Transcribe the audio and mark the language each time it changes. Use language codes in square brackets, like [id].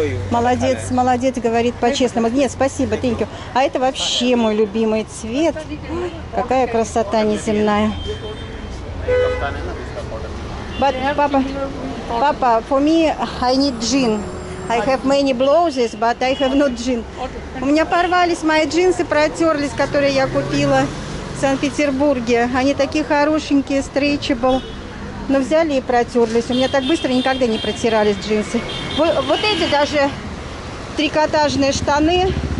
[ru] Молодец, молодец, говорит по-честному. Нет, спасибо, [en] thank you. [ru] А это вообще мой любимый цвет. Ой, какая красота неземная. [en] But, папа, for me, I need jean. I have many blouses, but I have no jean. [ru] У меня порвались мои джинсы, протерлись, которые я купила в Санкт-Петербурге. Они такие хорошенькие, stretchable. Но взяли и протерлись. У меня так быстро никогда не протирались джинсы. Вот эти даже трикотажные штаны